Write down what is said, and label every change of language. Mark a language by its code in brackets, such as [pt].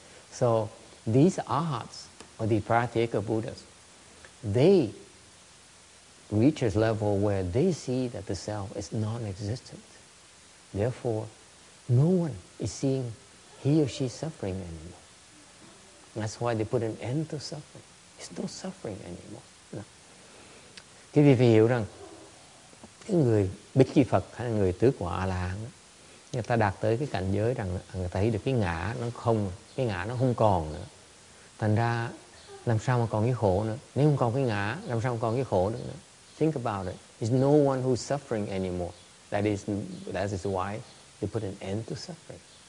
[en] So these arhats, or the pratyeka buddhas, they reach a level where they see that the self is non-existent. Therefore, no one is seeing he or she suffering anymore. That's why they put an end to suffering. It's no suffering anymore. [vi] Thì vì phải hiểu rằng cái người Bích Chi Phật hay người tứ quả A-la-hán, người ta đạt tới cái cảnh giới rằng người ta thấy được cái ngã nó không còn nữa. Thành ra làm sao mà còn cái khổ nữa? Nếu không còn cái ngã, làm sao mà còn cái khổ nữa? [en] Think about it. There's no one who's suffering anymore. That is why they put an end to suffering.